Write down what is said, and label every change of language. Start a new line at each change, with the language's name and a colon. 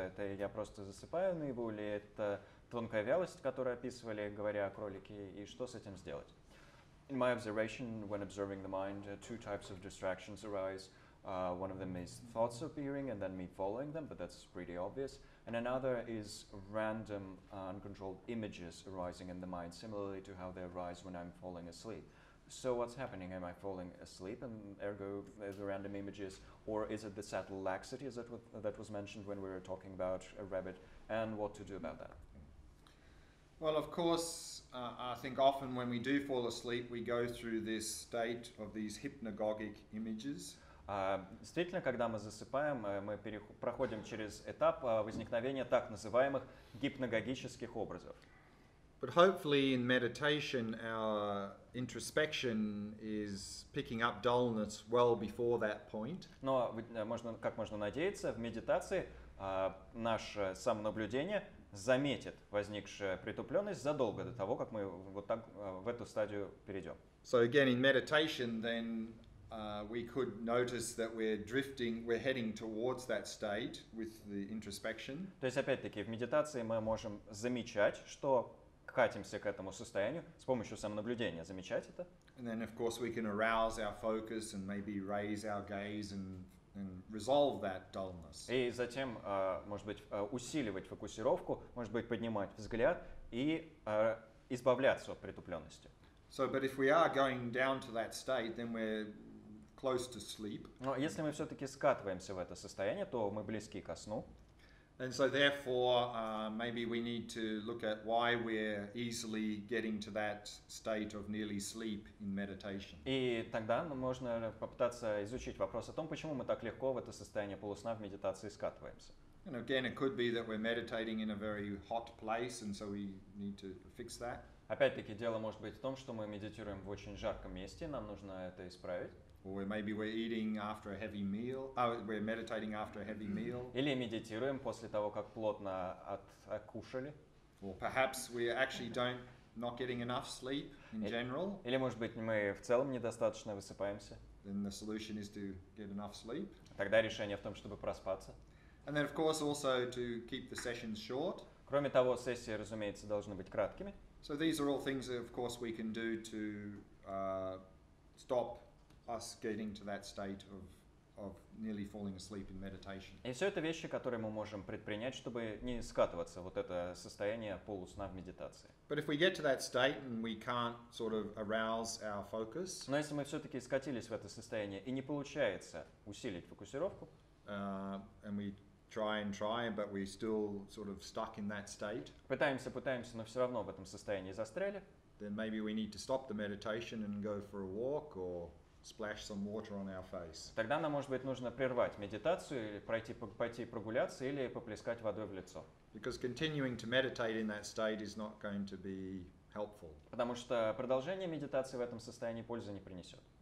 Russian: Это я просто засыпаю наяву, или это тонкая вялость, которую описывали, говоря о кролике, и что с этим сделать?
English: In my observation, when observing the mind, two types of distractions arise. One of them is thoughts appearing and then me following them, but that's pretty obvious. And another is random uncontrolled images arising in the mind, similarly to how they arise when I'm falling asleep. So what's happening? Am I falling asleep and ergo the random images? Or is it the subtle laxity that was mentioned when we were talking about a rabbit? And what to do about that? Well, of course, I think often when we do fall asleep, we go through this state of these hypnagogic images.
Russian: Действительно, когда мы засыпаем, мы проходим через этап возникновения так называемых гипногогических образов.
English: But hopefully in meditation our introspection is picking up dullness well before that point.
Russian: Но как можно надеяться, в медитации наше самонаблюдение заметит возникшую притупленность задолго до того, как мы вот так в эту стадию перейдем.
English: So again in meditation then we could notice that we're heading towards that state with the introspection.
Russian: То есть опять-таки в медитации мы можем замечать, что катимся к этому состоянию с помощью самонаблюдения, замечать это.
English: And then, of course, we can arouse our focus and maybe raise our gaze and resolve that dullness.
Russian: И затем, может быть, усиливать фокусировку, может быть, поднимать взгляд и избавляться от притупленности.
English: So, but if we are going down to that state, then we're close to sleep.
Russian: Но если мы все-таки скатываемся в это состояние, то мы близки ко сну.
English: And so therefore, maybe we need to look at why we're easily getting to that state of nearly sleep in meditation.
Russian: И тогда можно попытаться изучить вопрос о том, почему мы так легко в это состояние полусна в медитации скатываемся.
English: And again, it could be that we're meditating in a very hot place, and so we need to fix that.
Russian: Опять-таки, дело может быть в том, что мы медитируем в очень жарком месте, нам нужно это исправить.
English: Or maybe we're eating after a heavy meal. We're meditating after a heavy meal.
Russian: Или медитируем после того, как плотно откушали.
English: Or perhaps we actually don't not getting enough sleep in general.
Russian: Или может быть мы в целом недостаточно высыпаемся.
English: Then the solution is to get enough sleep.
Russian: Тогда решение в том, чтобы проспаться.
English: And then, of course, also to keep the sessions short.
Russian: Кроме того, сессии, разумеется, должны быть краткими.
English: So these are all things that, of course, we can do to stop us getting to that state of nearly falling asleep in meditation.
Russian: И все это вещи, которые мы можем предпринять, чтобы не скатываться в вот это состояние полусна в медитации.
English: But if we get to that state and we can't sort of arouse our focus.
Russian: Но если мы все-таки скатились в это состояние и не получается усилить фокусировку.
English: And we try, but we still sort of stuck in that state.
Russian: Пытаемся, но все равно в этом состоянии застряли.
English: Then maybe we need to stop the meditation and go for a walk or splash some water on our face.
Russian: Тогда нам, может быть, нужно прервать медитацию или пойти прогуляться или поплескать водой в лицо.
English: Because continuing to meditate in that state is not going to be helpful.
Russian: Потому что продолжение медитации в этом состоянии пользы не принесет.